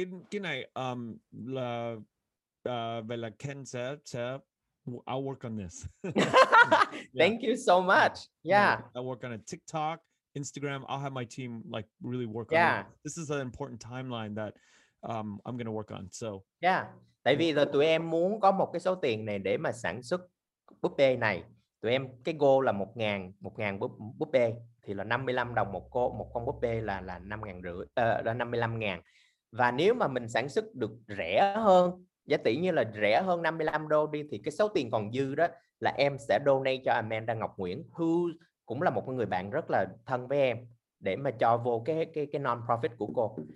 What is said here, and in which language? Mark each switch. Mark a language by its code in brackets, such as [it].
[vi] cái này là về là Ken sẽ [en] I'll work on this. Thank you so much. Yeah. I'll work on a TikTok, Instagram. I'll have my team like really work on it. This is an important timeline that I'm going to work on. So. Yeah. [vi] Tại vì là tụi em muốn có một cái số tiền này để mà sản xuất búp bê này. Tụi em cái goal là 1000 búp bê, thì là 55 đồng một con búp bê là 55.000. Và nếu mà mình sản xuất được rẻ hơn, giá tỷ như là rẻ hơn 55 đô đi, thì cái số tiền còn dư đó là em sẽ donate cho Amanda Ngọc Nguyễn, who cũng là một người bạn rất là thân với em, để mà cho vô cái non-profit của cô.